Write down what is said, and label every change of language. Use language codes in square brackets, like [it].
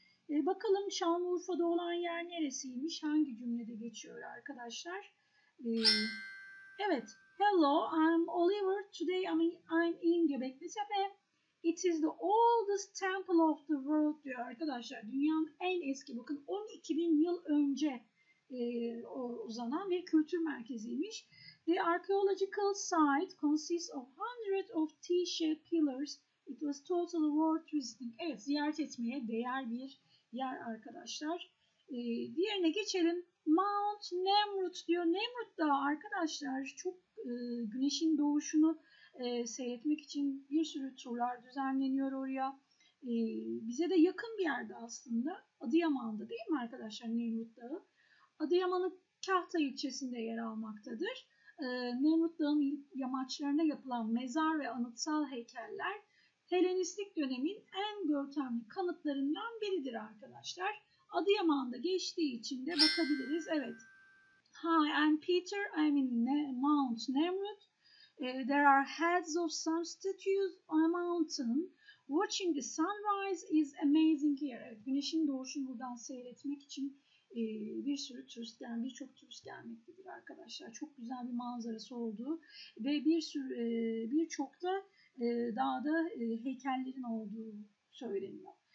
[tr] Bakalım Şanlıurfa'da olan yer neresiymiş? Hangi cümlede geçiyor arkadaşlar? Evet. [en] Hello, I'm Oliver. Today I'm in Göbekli Tepe. It is the oldest temple of the world [tr] diyor arkadaşlar. Dünyanın en eski, bakın 12.000 yıl önce uzanan bir kültür merkeziymiş. [en] The archaeological site consists of hundreds of T-shaped pillars. It was totally worth visiting. [tr] Evet, ziyaret etmeye değer bir yer arkadaşlar. Diğerine geçelim. Mount Nemrut diyor. Nemrut Dağı arkadaşlar, çok güneşin doğuşunu seyretmek için bir sürü turlar düzenleniyor oraya. Bize de yakın bir yerde aslında. Adıyaman'da, değil mi arkadaşlar, Nemrut Dağı? Adıyaman'ın Kahta ilçesinde yer almaktadır. Nemrut Dağı'nın yamaçlarına yapılan mezar ve anıtsal heykeller Helenistik dönemin en görkemli kanıtlarından biridir arkadaşlar. Adıyaman'da geçtiği için de bakabiliriz. Evet. [en] Hi, I'm Peter. I'm in Mount Nemrut. There are heads of some statues on a mountain. Watching the sunrise is amazing here. [tr] Evet, güneşin doğuşunu buradan seyretmek için bir sürü turist, yani birçok turist gelmektedir arkadaşlar. Çok güzel bir manzarası olduğu ve bir sürü birçok da dağda heykellerin olduğu söyleniyor.